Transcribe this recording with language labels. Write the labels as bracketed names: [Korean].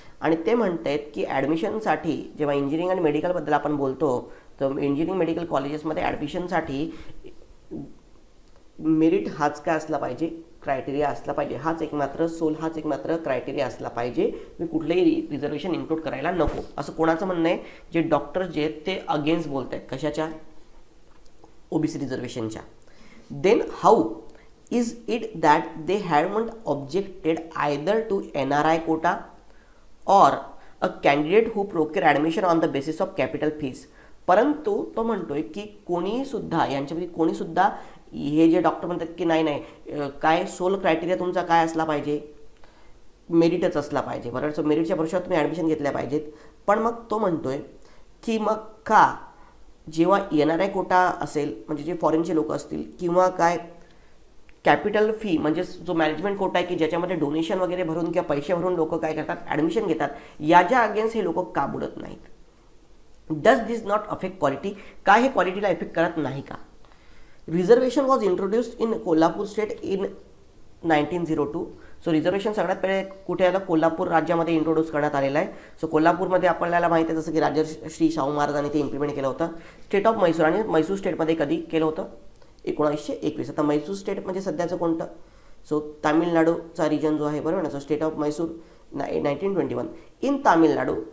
[Marathi] आणि ते म्हणत आहेत की ॲडमिशनसाठी जेव्हा इंजिनिअरिंग आणि मेडिकलबद्दल आपण बोलतो, तर इंजिनिअरिंग मेडिकल कॉलेजेसमध्ये ॲडमिशनसाठी मेरिट हाच काय असला पाहिजे, क्रायटेरिया असला पाहिजे, हाच एकमात्र सोल, हाच एकमात्र क्रायटेरिया असला पाहिजे. मी कुठलंही रिझर्वेशन इन्क्लूड करायला नको असं कोणाचं म्हणणं आहे, जे डॉक्टर्स जे आहेत ते अगेन्स्ट बोलत आहेत कशाच्या, OBC रिझर्वेशनच्या. [English] Then how is it that they haven't objected either to NRI quota or a candidate who procure admission on the basis of capital fees. [Marathi] परंतु तो म्हणतोय की कोणीसुद्धा यांच्यापैकी कोणीसुद्धा हे जे डॉक्टर म्हणतात की नाही नाही काय सोल क्रायटेरिया तुमचा काय असला पाहिजे, मेरिटच असला पाहिजे, बरोबर. सो मेरिटच्या भरोशावर तुम्ही ॲडमिशन घेतल्या पाहिजेत. पण मग तो म्हणतोय की मग का जेव्हा NRI कोटा असेल, म्हणजे जे फॉरेनचे लोक असतील, किंवा काय कॅपिटल फी म्हणजे जो मॅनेजमेंट कोटा आहे की ज्याच्यामध्ये डोनेशन वगैरे भरून किंवा पैसे भरून लोक काय करतात ॲडमिशन घेतात, याच्या अगेन्स्ट हे लोक का बुडत नाहीत. [English] does this not affect quality, [Marathi] काय हे क्वालिटीला इफेक्ट करत नाही का. [English] Reservation was introduced in Kolhapur state in 1902. [Marathi] So reservation सगळ्यात पहिले कुठे आलं, कोल्हापूर राज्यामध्ये इंट्रोड्यूस करण्यात आलेलं आहे. सो कोल्हापूरमध्ये आपल्याला माहिती आहे जसं की राजर्श्री शाहू महाराजांनी ते इम्प्लिमेंट केलं होतं. स्टेट ऑफ मैसूर आणि मैसूर स्टेटमध्ये कधी केलं होतं, 1921. आता मैसूर स्टेट म्हणजे सध्याचं कोणतं, सो तामिळनाडूचा रिजन जो आहे, बरोबर ना. [English] So state of Mysore 1921 in Tamil Nadu.